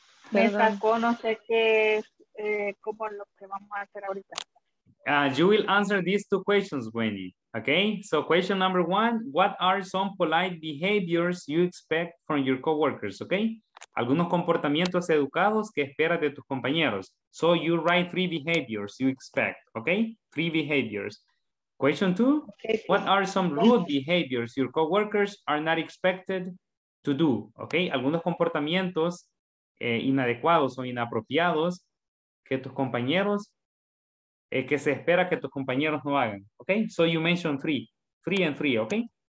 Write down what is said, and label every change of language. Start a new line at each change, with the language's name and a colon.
Spanish: Me sacó no sé qué, como lo que vamos a hacer ahorita.
English: You will answer these two questions, Wendy. Okay, so question number one, what are some polite behaviors you expect from your coworkers, okay?
Spanish: Algunos comportamientos educados que esperas de tus compañeros.
English: So you write three behaviors you expect, okay? Three behaviors. Question two, what are some rude behaviors your coworkers are not expected to do, okay?
Spanish: Algunos comportamientos inadecuados o inapropiados que tus compañeros, que se espera que tus compañeros no hagan, okay?
English: So you mentioned three, three and three, okay?